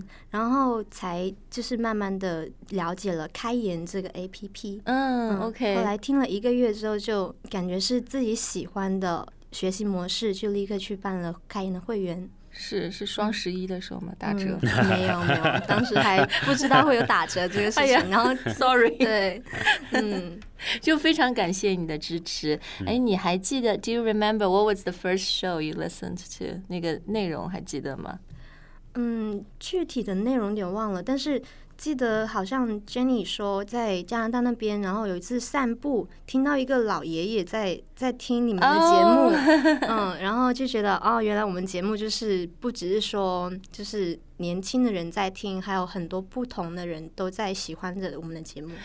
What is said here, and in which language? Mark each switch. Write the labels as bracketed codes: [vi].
[zh] 然后才就是慢慢的了解了开言这个 APP。 OK。后来听了一个月之后就感觉是自己喜欢的学习模式就立刻去办了开言的会员。是双十一的时候吗？打折？没有，当时还不知道会有打折这个事情。哎、然后 [en] ，sorry， [zh] 对，就非常感谢你的支持。 [en] 哎， [zh] 你还记得 [en] ？Do you remember what was the first show you listened to？ [zh] 那个内容还记得吗？具体的内容有点忘了，但是记得好像 Jenny 说在加拿大那边，然后有一次散步听到一个老爷爷在听你们的节目、然后就觉得哦，原来我们节目就是不只是说就是年轻的人在听，还有很多不同的人都在喜欢着我们的节目。